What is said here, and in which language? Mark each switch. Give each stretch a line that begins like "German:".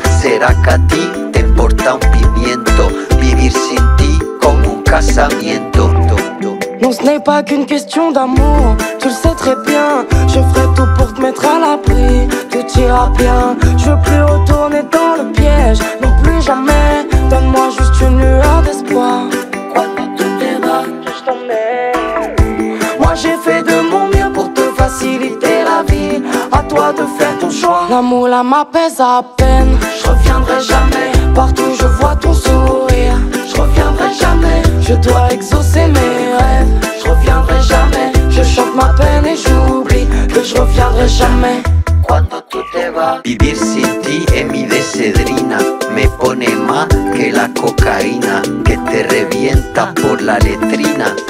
Spanish: ¿Será que a ti te importa un pimiento? Vivir sin ti como un casamiento.
French: Non, ce n'est pas qu'une question d'amour. Tu le sais très bien. Je ferai tout pour te mettre à l'abri. Tout ira bien. Je veux plus retourner dans le piège. Non plus jamais. Donne-moi juste une lueur d'espoir. Quoi que tu te vas, je t'emmène. Moi j'ai fait de mon mieux pour te faciliter la vie. de faire ton choix. L'amour là m'apaise à peine. Je reviendrai jamais. Partout je vois ton sourire. Je reviendrai jamais. Je dois exaucer mes rêves. Je reviendrai jamais. Je chante ma peine et j'oublie que je reviendrai jamais.
Spanish: Cuando tú te vas, vivir sin ti es mi desedrina. Me pone más que la cocaína, que te revienta por la letrina.